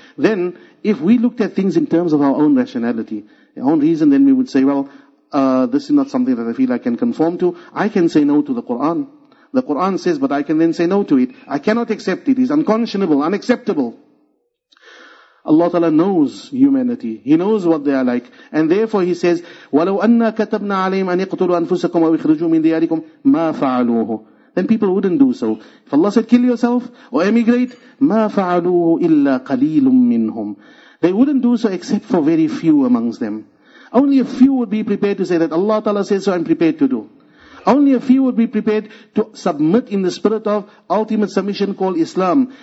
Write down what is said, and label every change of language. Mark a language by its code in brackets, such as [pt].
[en] Then, if we looked at things in terms of our own rationality, our own reason, then we would say, well, this is not something that I feel I can conform to. I can say no to the Quran. The Quran says, but I can then say no to it. I cannot accept it. It's unconscionable, unacceptable. Allah Ta'ala knows humanity. He knows what they are like. And therefore He says, [ar] وَلَوْ أَنَّا كَتَبْنَا عَلَيْهِمْ أَنْ يَقْتُلُوا أَنفُسَكُمْ وَيُخْرِجُوا مِنْ دِيَارِكُمْ مَا فَعَلُوهُ [en] Then people wouldn't do so. If Allah said, kill yourself or emigrate, [ar] مَا فَعَلُوهُ إِلَّا قَلِيلٌ مِّنْهُمْ [en] They wouldn't do so except for very few amongst them. Only a few would be prepared to say that Allah Ta'ala says so, I'm prepared to do. Only a few would be prepared to submit in the spirit of ultimate submission called Islam.